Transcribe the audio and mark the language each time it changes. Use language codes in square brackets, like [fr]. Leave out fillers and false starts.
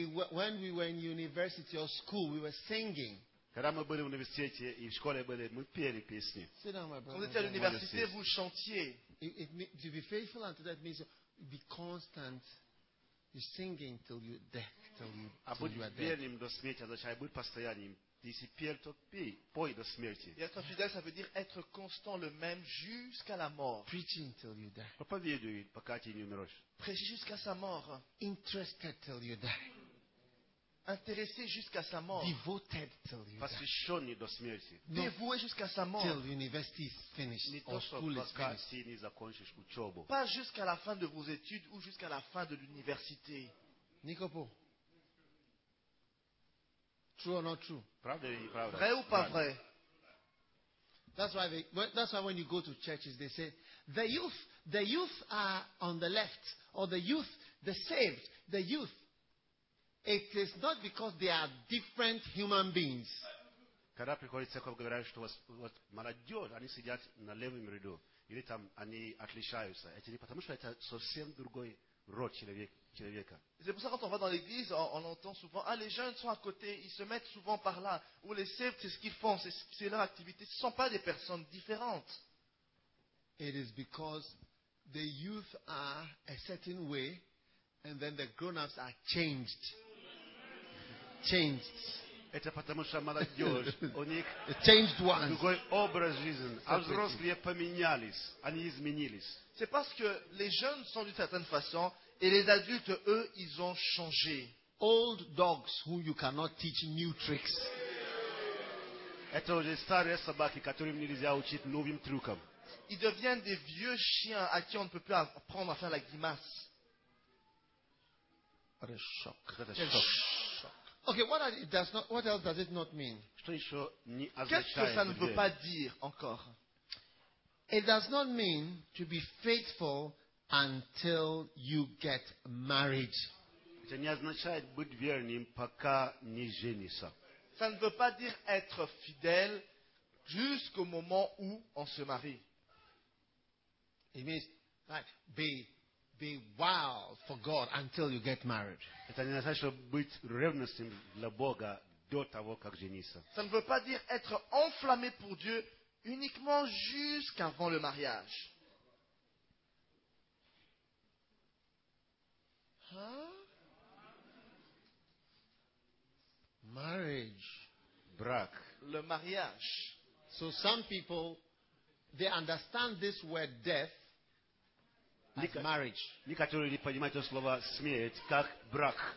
[en] When we were in university or school, we were singing. [ru] Когда мы были в университете и в школе были, мы пели песни. [en] Sit down, my brother. [fr] Quand vous étiez à l'université, vous chantiez. [en] To be faithful unto that means be constant. You're singing till you death, till you are dead. [ru] А будь верным до смерти, означает будь постоянным. Если пел, то пой до смерти. [fr] Et être fidèle, ça veut dire être constant, le même jusqu'à la mort. [en] Preaching till you die. [ru] Проповедуй, пока ты не умрешь. [fr] Prêcher jusqu'à sa mort. [en] Interested till you die. [fr] Intéressé jusqu'à sa mort. [en] Devoted till you die. [fr] Parce que chôni [ru] до смерти. [fr] Dévoué jusqu'à sa mort. [en] Till university is finished. [ru] Не то, пока ты не закончишь учебу. [fr] Pas jusqu'à la fin de vos études ou jusqu'à la fin de l'université. Nikopo. [en] True or not true? [ru] Правда или неправда? [fr] Vrai ou pas vrai? [en] That's why when you go to churches, they say the youth are on the left, or the youth, the saved, the youth. It is not because they are different human beings. [ru] Когда приходит церковь, говорят, что вот молодежь, они сидят на левом ряду, или там они отличаются. Это не потому, что это совсем другой род человека. [fr] C'est pour ça que quand on va dans l'église, on entend souvent « Ah, les jeunes sont à côté, ils se mettent souvent par là. » Ou les saved, c'est ce qu'ils font, c'est leur activité. Ce ne sont pas des personnes différentes. [en] It is because the youth are a certain way and then the grown-ups are changed. Changed. [ru] Это потому что молодежь, у них [en] changed ones. [ru] Другой образ жизни. А взрослые поменялись, они изменились. [fr] C'est parce que les jeunes sont d'une certaine façon... Et les adultes, eux, ils ont changé. [en] Old dogs who you cannot teach new tricks. [ru] Это уже старые собаки, которым нельзя учить новым трюкам. [fr] Ils deviennent des vieux chiens à qui on ne peut plus apprendre à faire la grimace. [en] Or a shock. Shock. Okay, what else does it not mean? [fr] Qu'est-ce que ça ne veut pas dire encore? [en] It does not mean to be faithful until you get married. [fr] Ça ne [ru] означает быть верным, пока не женится. [fr] Ça ne veut pas dire être fidèle jusqu'au moment où on se marie. [en] It means like be wild for God until you get married. [ru] Это не означает быть ревностным для Бога до того, как жениться. [fr] Ça ne veut pas dire être enflammé pour Dieu uniquement jusqu'avant le mariage. [en] Marriage, [ru] brak, [fr] le mariage. [en] So some people, they understand this word death like marriage. [ru] Некоторые не понимают это слово смерть как брак.